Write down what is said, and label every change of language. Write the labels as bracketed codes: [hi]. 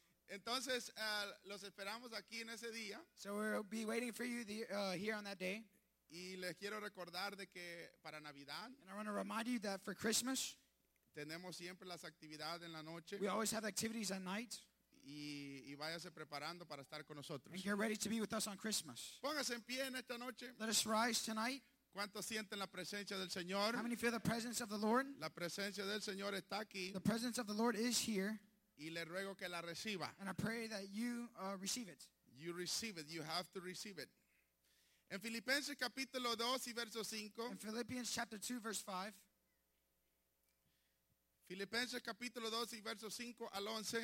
[es] Entonces, los esperamos aquí en ese día. [en] So we'll be waiting for you here on that day. [es] Y les quiero recordar de que para Navidad. [en] And I want to remind you that for Christmas. [es] Tenemos siempre las actividades en la noche. [en] We always have activities at night. [es] Y váyase preparando para estar con nosotros. [en] And get ready to be with us on Christmas. [es] Póngase en pie en esta noche. [en] Let us rise tonight. [es] ¿Cuántos sienten la presencia del Señor? [en] How many feel the presence of the Lord? [es] La presencia del Señor está aquí. [en] The presence of the Lord is here. [es] Y le ruego que la reciba. [en] And I pray that you receive it. You receive it. You have to receive it. [es] En Filipenses capítulo 2 y verso 5. [en] In Philippians chapter 2 verse 5. [es] Filipenses capítulo 2 y verso 5 al 11.